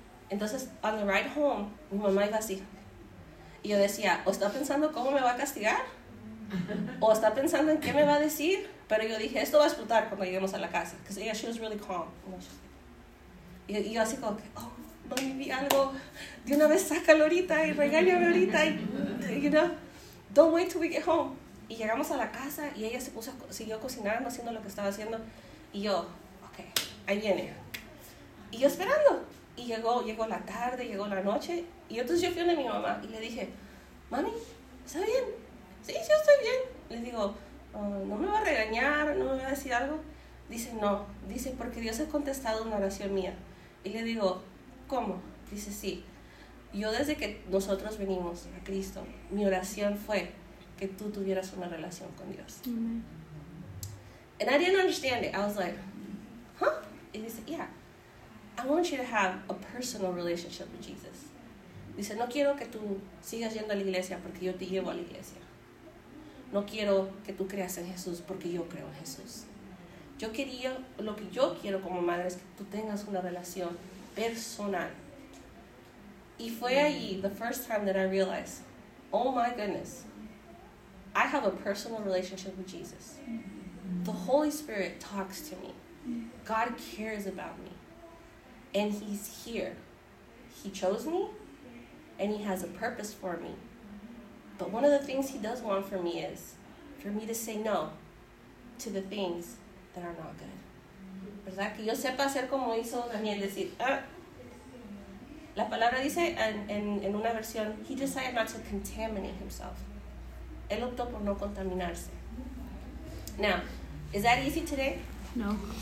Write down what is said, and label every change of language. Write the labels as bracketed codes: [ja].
[es] Entonces, [en] on the ride home, [es] mi mamá iba así. Y yo decía, o está pensando cómo me va a castigar, o está pensando en qué me va a decir. Pero yo dije, esto va a explotar cuando lleguemos a la casa. [en] Because yeah, she was really calm. [es] Y yo así como que, oh, mami, vi algo. De una vez, sácalo ahorita y regáñame ahorita. [en] Y, you know, don't wait till we get home. [es] Y llegamos a la casa y ella se puso, siguió cocinando, haciendo lo que estaba haciendo. Y yo, ok, ahí viene. Y yo esperando. Y llegó la tarde, llegó la noche. Y entonces yo fui a mi mamá y le dije, mami, ¿está bien? Sí, yo estoy bien. Le digo, ¿no me va a regañar? ¿No me va a decir algo? Dice, no. Dice, porque Dios ha contestado una oración mía. Y le digo, ¿cómo? Dice, sí. Yo desde que nosotros venimos a Cristo, mi oración fue que tú tuvieras una relación con Dios. [en] Amen. And I didn't understand it. I was like, huh? [es] Y dice, [en] yeah. I want you to have a personal relationship with Jesus. Dice, no quiero que tú sigas yendo a la iglesia porque yo te llevo a la iglesia. No quiero que tú creas en Jesús porque yo creo en Jesús. Lo que yo quiero como madre es que tú tengas una relación personal. [es] Y fue ahí, the first time that I realized, oh my goodness, I have a personal relationship with Jesus. [en] The Holy Spirit talks to me. God cares about me. And He's here. He chose me, and he has a purpose for me. But one of the things he does want for me is for me to say no to the things that are not good. [es] ¿Verdad? Que yo sepa hacer como hizo Daniel, decir, ah. La palabra dice, en una versión, [en] he decided not to contaminate himself. [es] Él optó por no contaminarse. [en] Now, is that easy today? [es] No.